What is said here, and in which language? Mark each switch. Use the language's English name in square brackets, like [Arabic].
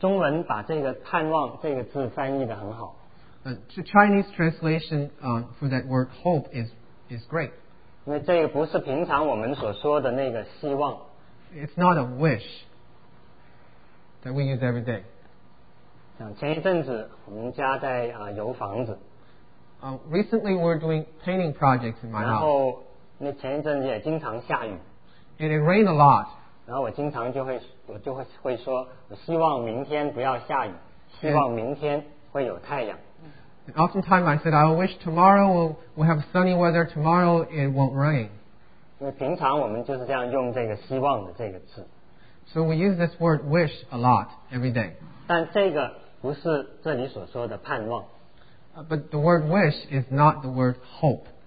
[Chinese] 中文把这个盼望这个字翻译得很好。 [English] The Chinese translation for that word hope is great. [Chinese] 因为这个不是平常我们所说的那个希望。 [English] It's not a wish that we use every day. [Chinese] 前一阵子我们家在油房子。 [English] Recently we were doing painting projects in my house. [Chinese] 然后那前一阵子也经常下雨。 [English] And it rained a lot. [Chinese] 然后我经常就会说，我希望明天不要下雨，希望明天会有太阳。 [English] And oftentimes I said, I wish tomorrow we'll have sunny weather, tomorrow it won't rain. [Chinese] 因为平常我们就是这样用这个希望的这个词。 [English] So we use this word wish a lot every day. [Chinese] 但这个不是这里所说的盼望。 [English] But the word wish is not the word hope.